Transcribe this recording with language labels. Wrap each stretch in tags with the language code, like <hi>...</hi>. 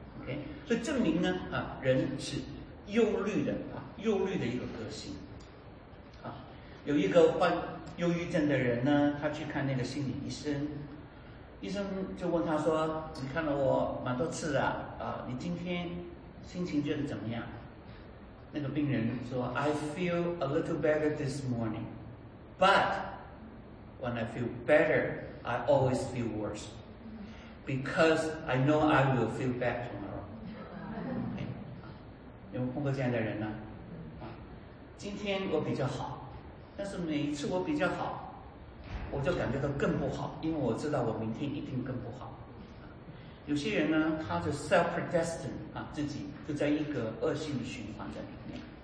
<zh>OK， 所以证明呢，啊，人是忧虑的啊，忧虑的一个个性。啊，有一个患忧郁症的人呢，他去看那个心理医生，医生就问他说：“你看了我蛮多次了，啊，你今天心情觉得怎么样？” 那个病人说 ：“</zh> <en>I feel a little better this morning, but when I feel better, I always feel worse, because I know I will feel bad tomorrow.” Okay.</en> <zh>有碰过这样的人呢？啊，今天我比较好，但是每一次我比较好，我就感觉到更不好，因为我知道我明天一定更不好。有些人呢，他就 self-predestined 啊，自己就在一个恶性循环在里面。</zh>